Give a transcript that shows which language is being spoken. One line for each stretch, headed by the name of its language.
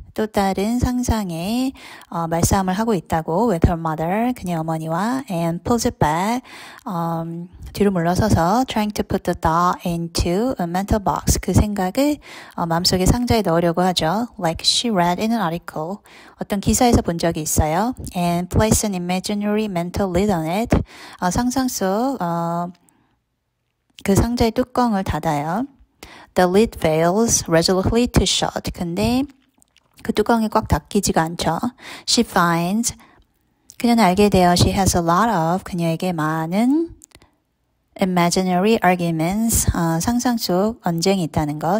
English: 또 다른 상상의 말싸움을 하고 있다고 with her mother,
Korean: 그녀 어머니와
English: and pulls it back,
Korean: 뒤로 물러서서
English: trying to put the thought into a mental box.
Korean: 그 생각을 마음속에 상자에 넣으려고 하죠.
English: Like she read in an article,
Korean: 어떤 기사에서 본 적이 있어요.
English: And place an imaginary mental lid on it.
Korean: 상상 속 그 상자의 뚜껑을 닫아요.
English: The lid fails resolutely to shut.
Korean: 근데 그 뚜껑이 꽉 닫히지가 않죠.
English: She finds,
Korean: 그녀는 알게 되어
English: she has a lot of,
Korean: 그녀에게 많은
English: imaginary arguments,
Korean: 상상 속 언쟁이 있다는 거.